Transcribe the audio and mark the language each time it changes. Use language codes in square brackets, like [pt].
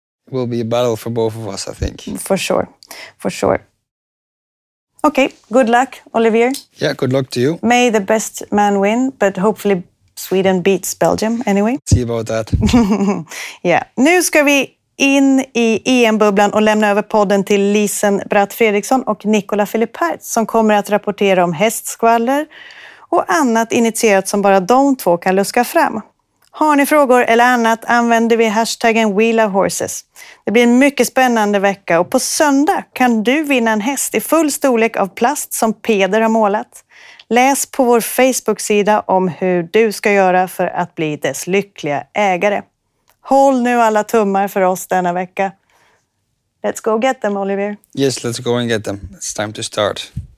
[en] Will be a battle for both of us, I think. For sure. Okay, good luck, Olivier. Yeah, good luck to you. May the best man win, but hopefully Sweden beats Belgium anyway. See about that. [sv] Yeah, nu ska vi in i EM-bubblan och lämna över podden till Lisen Bratt Fredriksson och Nicola Filippert som kommer att rapportera om hästskvaller och annat initierat som bara de två kan luska fram. Har ni frågor eller annat använder vi hashtaggen WeLoveHorses. Det blir en mycket spännande vecka och på söndag kan du vinna en häst i full storlek av plast som Peder har målat. Läs på vår Facebook-sida om hur du ska göra för att bli dess lyckliga ägare. Håll nu alla tummar för oss denna vecka. [en] Let's go get them, Olivier. Yes, let's go and get them. It's time to start.